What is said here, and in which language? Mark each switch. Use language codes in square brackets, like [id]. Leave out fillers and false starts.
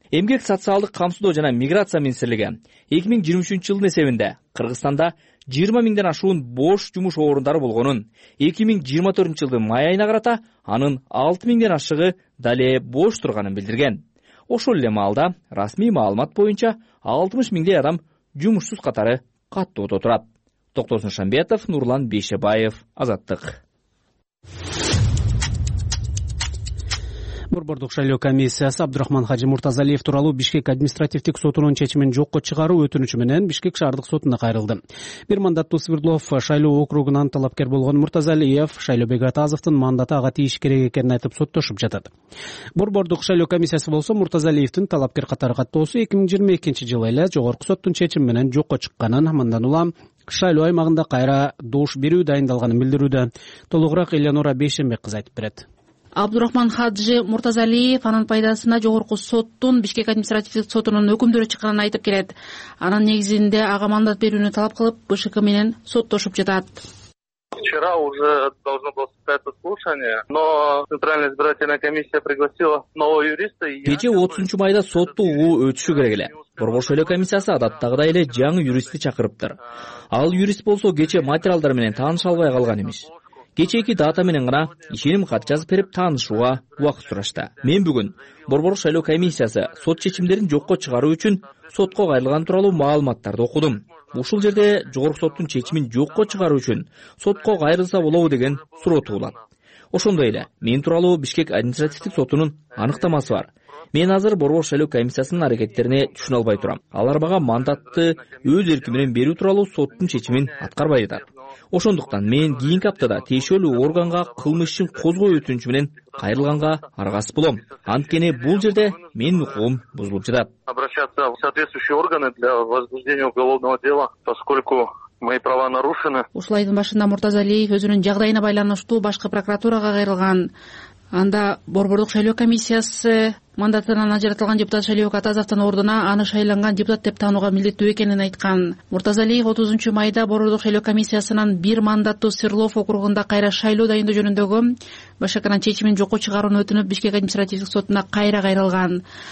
[ky] Эмгек социалдык камсыздоо жана миграция министрлиги 2023 жылдын эсебинде Кыргызстанда 20 миңден ашуун бош жумуш орундары болгонун, 2024 жылдын май айына карата анын 6 миңден ашыгы дале бош турганын билдирген. Ошол эле маалда расмий маалымат боюнча 60 миңдей адам жумушсуз катары каттоодо турат. Токтосун Шамбетов, Нурлан Бейшебаев, Азаттык. Борбордук шайлоо комиссиясы Абдрахман Хажы Муртазалиев тууралуу Бишкек административдик сотунун чечимин жокко чыгаруу өтүнүчү менен Бишкек шаардык сотуна кайрылды. Бир мандаттуу Свердлов шайлоо округунан талапкер болгон Муртазалиев Шайлообек Атазовдун мандаты ага тийиш керек экенин айтып соттошуп жатат. Борбордук шайлоо комиссиясы болсо Муртазалиевдин талапкер катары каттоосу 2022 жылы эле жогорку соттун чечими менен жокко чыкканын, мындан улам шайлоо аймагында кайра добуш берүү дайындалганын билдирүүдө. Толугураак Эленора Бейшенбек кызы айтып берет. Абдурахман Хаджи Муртазалиев анын пайдасына жогорку соттун Бишкек административдик сотунун өкүмдөрү чыкканын айтып келет. Анын негизинде ага мандат берүүнү талап кылып БШК менен соттошуп жатат. [ru] Вчера уже должно было состояться слушание, но Центральная избирательная комиссия пригласила нового юриста. [ky] Кече 30 майда сотту угуу өтүшү керек эле. Борбор шайлоо комиссиясы адаттагыдай эле жаңы юристти чакырыптыр. Ал юрист болсо кече материалдар менен тааныша албай калган эмес. Кечээки дата менен гана ишеним кат жазып берип таанышууга убакыт сурашты. Мен бүгүн Борбор шайлоо комиссиясы сот чечимдерин жокко чыгаруу үчүн сотко кайрылган тууралуу маалыматтарды окудум. Ушул жерде жогорку соттун чечимин жокко чыгаруу үчүн сотко кайрылса болобу деген суроо туулат. Ошондой эле мен тууралуу Бишкек административдик сотунун аныктамасы бар. Мен азыр Борбор шайлоо комиссиясынын аракеттерине түшүнө албай турам. Алар мага мандатты өз эрки менен берүү тууралуу соттун чечимин аткарбай жатат. Ошондуктан мен кийинки аптада тиешелүү органга кылмыш ишин козгоо өтүнүчү менен кайрылганга аргасыз болом. Анткени бул жерде менин укугум бузулуп жатат. [ru] Обращаться в соответствующие органы для возбуждения уголовного дела, поскольку мои права нарушены. [ky] Ушул айдын башында Муртазалиев өзүнүн жагдайына байланыштуу башкы прокуратурага кайрылган. Анда Борбордук шайлоо комиссиясы мандатынан ажыратылган депутат Шалиев Атазовдун ордуна аны шайланган депутат деп таанууга милдеттүү экенин айткан. Муртазалиев 30 майда Борбордук шайлоо комиссиясынан бир мандаттуу Свердлов округунда кайра шайлоо дайындоо жөнүндөгү БШКнын чечимин жокко чыгарууну өтүнүп Бишкек административдик сотуна кайра кайрылган.